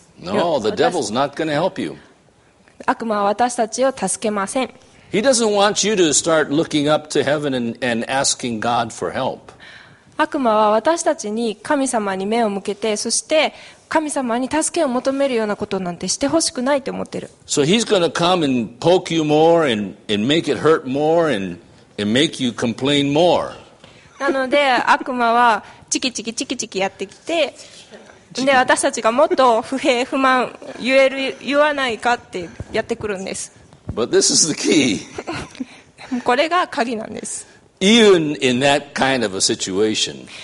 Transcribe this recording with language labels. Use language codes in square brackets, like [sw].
[en] No, the devil's not going to help you. [ja] 悪魔は私たちを助けません。 [en] He doesn't want you to start looking up to heaven and asking God for help. [ja] 悪魔は私たちに神様に目を向けて、そして神様に助けを求めるようなことなんてしてほしくないと思ってる。 [en] So he's going to come and poke you more and make it hurt more and make you complain more. [ja] なので悪魔はチキチキチキチキやってきて、で私たちがもっと不平不満言える言わないかってやってくるんです。 [en] But this is the key. [ja] これが鍵なんです。 [en] Even in that kind of a situation,